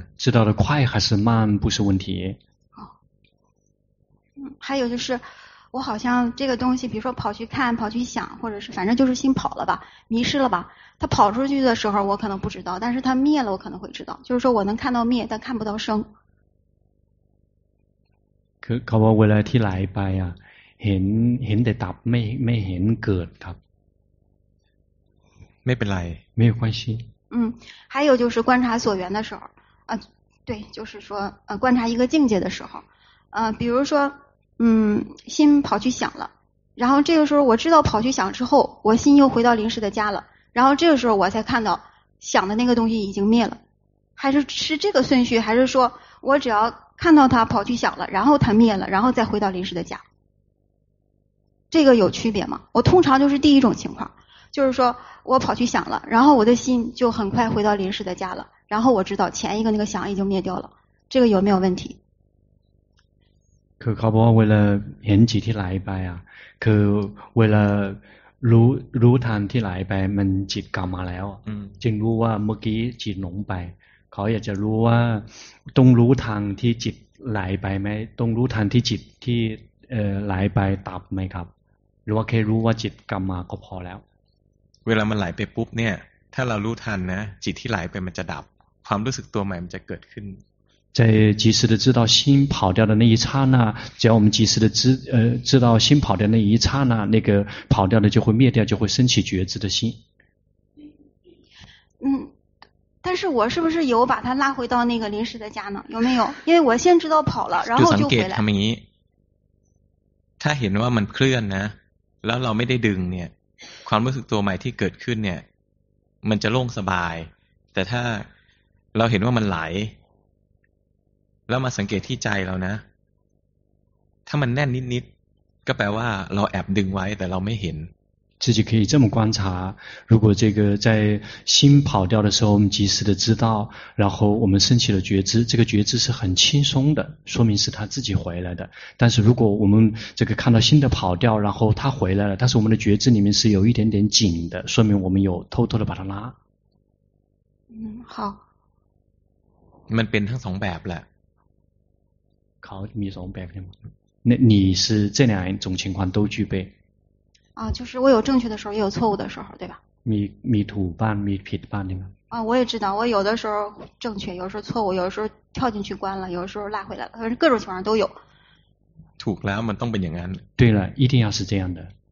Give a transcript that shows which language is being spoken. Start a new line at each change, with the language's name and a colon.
Chinese: 知道的快还是慢不是问题还有就是我好像这个东西比如说跑去看跑去想或者是反正就是心跑了吧迷失了吧它跑出去的时候我可能不知道但是它灭了我可能会知道就是说我能看到灭但看不到生
Thai: คือเขาบอกเวลาที่ไหลไปอ่ะเห็นแต่ดับไม่เห็นเกิดครับ ไม่เป็นไร ไม่
Chinese: 有关系嗯还有就是观察所缘的时候对就是说观察一个境界的时候比如说心跑去想了然后这个时候我知道跑去想之后我心又回到临时的家了然后这个时候我才看到想的那个东西已经灭了还是这个顺序还是说我只要看到它跑去想了然后它灭了然后再回到临时的家这个有区别吗我通常就是第一种情况就是说我跑去想了然后我的心就很快回到临时的家了然后我知道前一个那个想已经灭掉了这个有没有问题
Thai: คือเขาบอกว่าเวลาเห็นจิตที่ไหลไปอ่ะคือเวลารู้ทันที่ไหลไปมันจิตกลับมาแล้วจึงรู้ว่าเมื่อกี้จิตหลงไปเขาอยากจะรู้ว่าต้องรู้ทันที่จิตไหลไปไหมต้องรู้ทันที่จิตที่ ไหลไปดับไหมครับหรือว่าแค่รู้ว่าจิตกรรมมาก็พอแล้วเวลามันไหลไปปุ๊บเนี่ยถ้าเรารู้ทันนะจิตที่ไหลไปมันจะดับความรู้สึกตัวใหม่มันจะเกิดขึ้น
Chinese: 在及时的知道心跑掉的那一刹那，只要我们及时的知道心跑掉的那一刹那，那个跑掉的就会灭掉，就会升起觉知的心。嗯，但是我是不是有把它拉回到那个临时的家呢？有没有？因为我先知道跑了，然后就回来。他们一，他
Thai: เห็นว่ามันเคลื่อนนะ，แล้วเราไม่ได้ดึงเนี่ย，ความรู้สึกตัวใหม่ที่เกิดขึ้นเนี่ย，มันจะโล่งสบาย，แต่ถ้าเราเห็นว่ามันไหลแล้วมาสังเกตที่ใจเรานะถ้ามันแน่นนิดๆก็แปลว่าเราแอบดึงไว้แต่เราไม่เห็น
Chinese: 自己可以这么观察如果这个在心跑掉的时候我们及时的知道然后我们升起了觉知这个觉知是很轻松的说明是他自己回来的但是如果我们这个看到心的跑掉然后他回来了但是我们的觉知里面是有一点点紧的说明我们有偷偷的把它拉嗯好
Thai: มันเป็นทั้งสองแบบแหละ เขามีสองแบบใช่ไหม
Chinese: 那你是这两种情况都具备啊就是我有正确的时候也有错误的时候对吧
Thai: มีถูกบ้างมีผิดบ้างใช่ไ
Chinese: หม啊我也知道我有的时候正确有的时候错误有的时候跳进去关了有的时候拉回来了反正各种情况都有
Thai: ถูกแล้วมันต้องเป็นอย่างนั้น
Chinese: 对了一定要是这样的